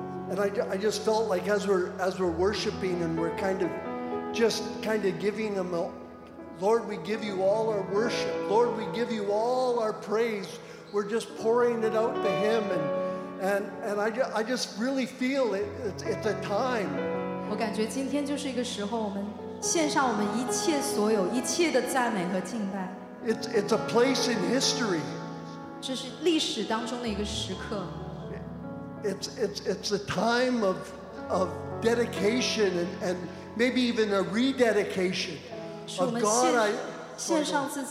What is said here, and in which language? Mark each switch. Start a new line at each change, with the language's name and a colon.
English: And I just felt like as we're worshiping and we're kind of giving them, Lord, we give you all our worship. Lord, we give you all our praise. We're just pouring it out to Him, and I just really feel it. It's a time.
Chinese: 我感觉今天就是一个时候，我们献上我们一切所有、一切的赞美和敬拜。
English: It's a place in history.
Chinese: 这是历史当中的一个时刻。
English: It's a time of dedication and maybe even a rededication of God.